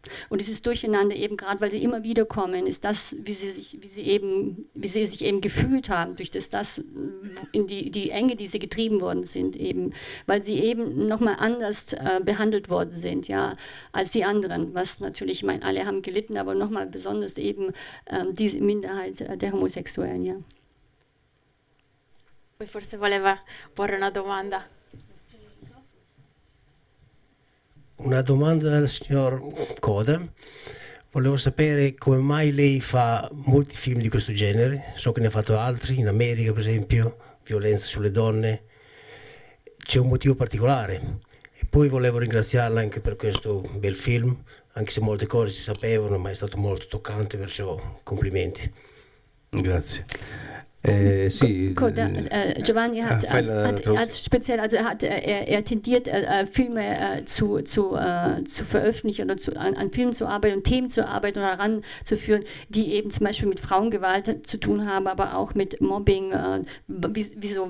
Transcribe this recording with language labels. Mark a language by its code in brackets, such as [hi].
[de] Und dieses Durcheinander eben gerade, weil sie immer wieder kommen, ist das, wie sie sich eben gefühlt haben, durch das in die Enge, die sie getrieben worden sind eben, weil sie eben nochmal anders behandelt worden sind, ja, als die anderen, was natürlich, ich meine, alle haben gelitten, aber nochmal besonders eben diese Minderheit der Homosexuellen, ja. [it] Forse voleva porre una domanda. Una domanda al signor Coda. Volevo sapere come mai lei fa molti film di questo genere, so che ne ha fatto altri, in America per esempio, violenza sulle donne, c'è un motivo particolare. E poi volevo ringraziarla anche per questo bel film, anche se molte cose si sapevano, ma è stato molto toccante, perciò complimenti. Grazie. [de] Giovanni hat, er tendiert, Filme zu veröffentlichen oder an Filmen zu arbeiten und Themen zu arbeiten oder heranzuführen, die eben zum Beispiel mit Frauengewalt zu tun haben, aber auch mit Mobbing. Wieso?